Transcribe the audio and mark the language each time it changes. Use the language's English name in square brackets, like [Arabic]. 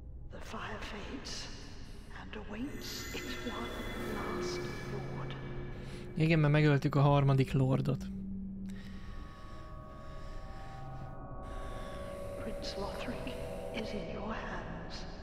[English] The fire fades and awaits its one last lord. [Hungarian] Igen, mert megöltük a harmadik lordot. [English] Prince Lothric is in your hands.